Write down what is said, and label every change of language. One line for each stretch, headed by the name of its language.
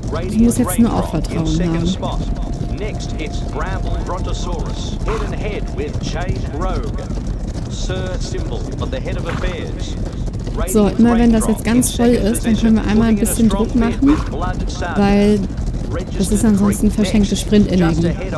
German: Ich muss jetzt nur auch Vertrauen haben.
English: Next, it's Bramble Brontosaurus, head and head with Chase Rogue. Sir Symbol, at the head of affairs.
German: So, immer wenn das jetzt ganz voll ist, dann können wir einmal ein bisschen Druck machen, weil das ist ansonsten verschenkte Sprintenergie.